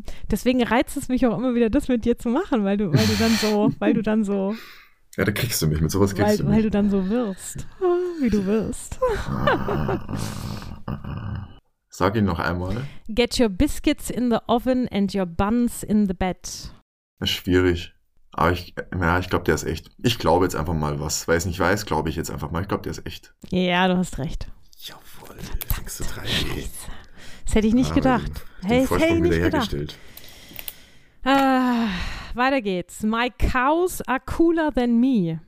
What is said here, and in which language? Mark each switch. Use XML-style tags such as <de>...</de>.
<de>Deswegen reizt es mich auch immer wieder, das mit dir zu machen, weil du dann so. Ja, da kriegst du mich. Mit sowas kriegst weil, du mich. Weil du dann so wirst, wie du wirst. Sag ihn noch einmal.</de> <en>Get your biscuits in the oven and your buns in the bed.</en> <de>Das ist schwierig. Aber ich glaube, der ist echt. Ich glaube jetzt einfach mal was. Weil ich es nicht weiß, glaube ich jetzt einfach mal. Ich glaube, der ist echt. Ja, du hast recht. Jawohl. Verdammt. 6-3. Scheiße. Das hätte ich nicht gedacht. Hey, den Vorsprung hätte ich nicht gedacht. Weiter geht's.</de> <en>My cows are cooler than me.</en>